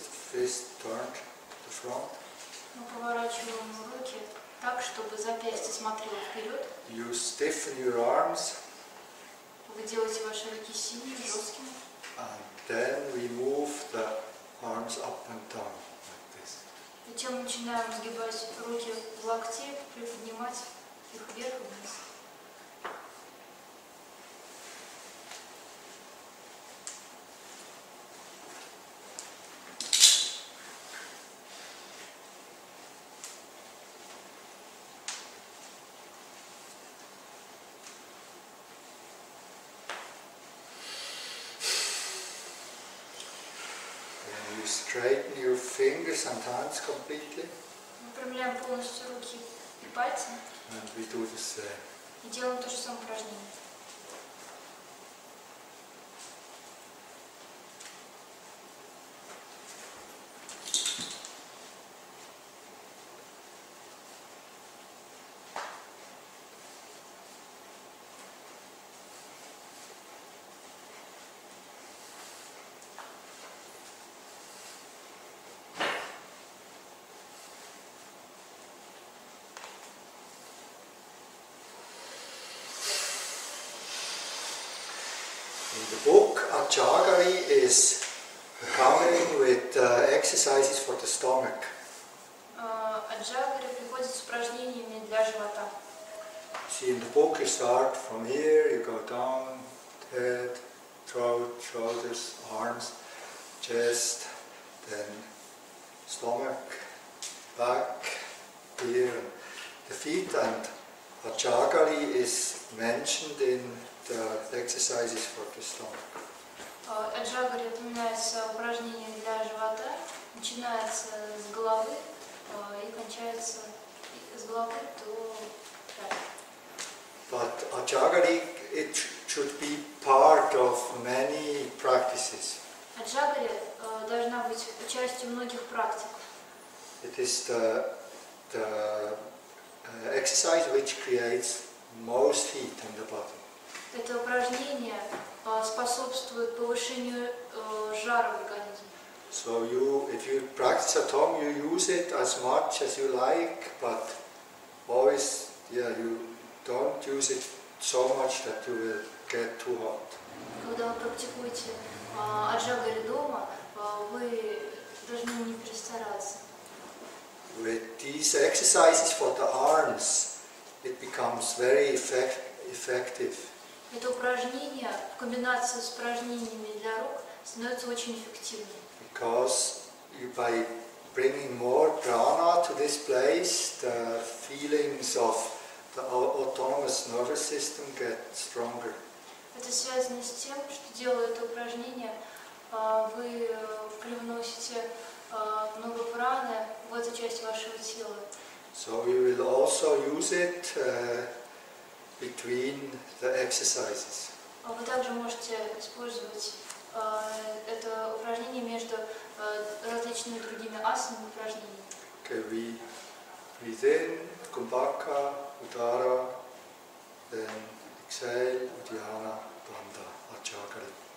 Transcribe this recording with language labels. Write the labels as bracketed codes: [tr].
[en] Fist turned to the front. [ru] Мы поворачиваем руки так, чтобы запястье смотрело вперед. [en] You stiffen your arms. [ru] Вы делаете ваши руки сильными, жесткими. [en] And then we move the arms up and down like this. [ru] Затем начинаем сгибать руки в локте, приподнимать их вверх и вниз. [en] Straighten your fingers and hands completely. [ru] Мы выпрямляем полностью руки и пальцы. [en] And we do the same. [ru] И делаем то же самое упражнение. [en] The book Ajagari is coming with exercises for the stomach. [ru] Ajagari приходит с упражнениями для живота. [en] See, in the book you start from here, you go down, head, throat, shoulders, arms, chest, then stomach, back, here, the feet, and Ajagari is mentioned in the exercises for the stomach. [ru] Аджагари упоминается упражнение для живота, начинается с головы и кончается с головы до пяток. [en] But Аджагари, it should be part of many practices. [ru] Аджагари должна быть частью многих практик. [en] It is the exercise which creates most heat in the body. [ru] Это упражнение способствует повышению жара в организме. [en] So you, if you practice at home, you use it as much as you like, but always, yeah, you don't use it so much that you will get too hot. [ru] Когда вы практикуете аджагари дома, вы должны не перестараться. [en] With these exercises for the arms, it becomes very effective. [ru] Это упражнение в комбинации с упражнениями для рук становится очень эффективным. [en] Because by bringing more prana to this place, the feelings of the autonomous nervous system get stronger. [ru] Это связано с тем, что делая это упражнение, вы привносите много праны в эту часть вашего тела. [en] So we will also use it between the exercises. [ru] Вы также можете использовать это упражнение между различными другими асанами упражнениями. [en] Okay, we breathe in, Kumbhaka, Udara, then exhale, Udhyana, Bandha, Ajagari.